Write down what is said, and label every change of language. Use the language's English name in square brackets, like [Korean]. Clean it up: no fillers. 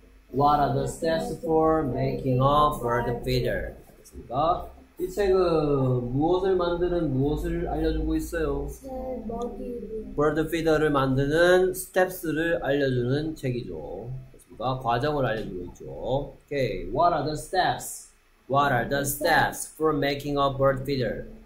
[English] What are the steps for making a bird feeder? [Korean] 됐습니까? 이 책은 무엇을 만드는 무엇을 알려주고 있어요? 버드 피더를 만드는 스텝스를 알려주는 책이죠. 그렇습니까? 과정을 알려주고 있죠. [English] Okay, what are the steps? What are the steps for making a bird feeder?